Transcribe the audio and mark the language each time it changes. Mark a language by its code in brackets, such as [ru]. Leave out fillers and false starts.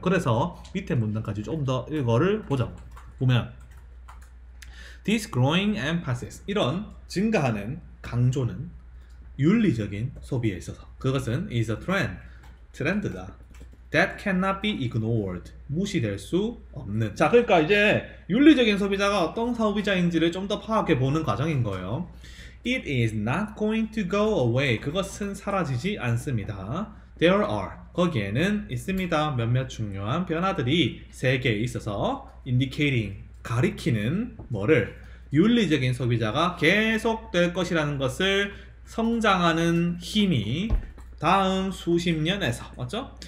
[ko] 그래서 밑에 문단까지 조금 더 이거를 보자. 보면 This growing emphasis, 이런 증가하는 강조는 윤리적인 소비에 있어서 그것은 is a trend, 트렌드다. [en] That cannot be ignored. 무시될 수 없는. [ko] 자, 그러니까 이제 윤리적인 소비자가 어떤 소비자인지를 좀 더 파악해 보는 과정인 거예요. [en] It is not going to go away. [ko] 그것은 사라지지 않습니다. There are. 거기에는 있습니다. 몇몇 중요한 변화들이 세 개에 있어서 indicating. 가리키는 뭐를? 윤리적인 소비자가 계속될 것이라는 것을 성장하는 힘이 다음 수십 년에서 맞죠?